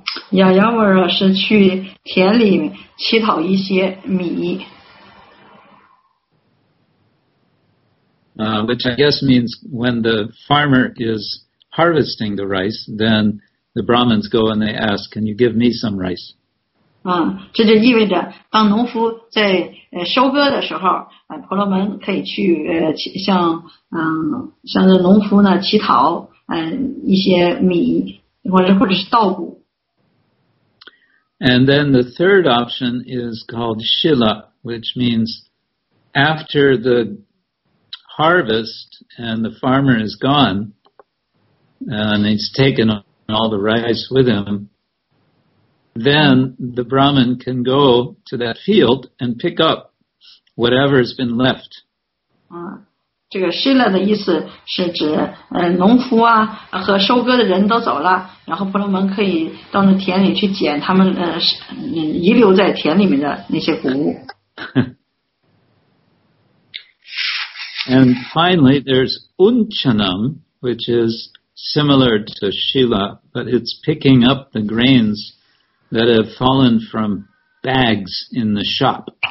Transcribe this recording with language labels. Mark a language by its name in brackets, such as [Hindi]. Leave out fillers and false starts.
[Chinese] Yayavara 是去田里乞讨一些米。 [English] Which I guess means when the farmer is harvesting the rice, then the Brahmins go and they ask, can you give me some rice? [Chinese] 这就意味着当农夫在收割的时候，婆罗门可以去向这农夫呢乞讨一些米或者是稻谷。 [English] And then the third option is called Shila, which means after the harvest and the farmer is gone and he's taken all the rice with him, then the Brahmin can go to that field and pick up whatever has been left. [Chinese] 这个 Shila 的意思是指农夫啊和收割的人都走了，然后婆罗门可以到那田里去捡他们遗留在田里面的那些谷物。 [English] And finally, there's Unchanam, which is similar to Shila, but it's picking up the grains that have fallen from bags in the shop.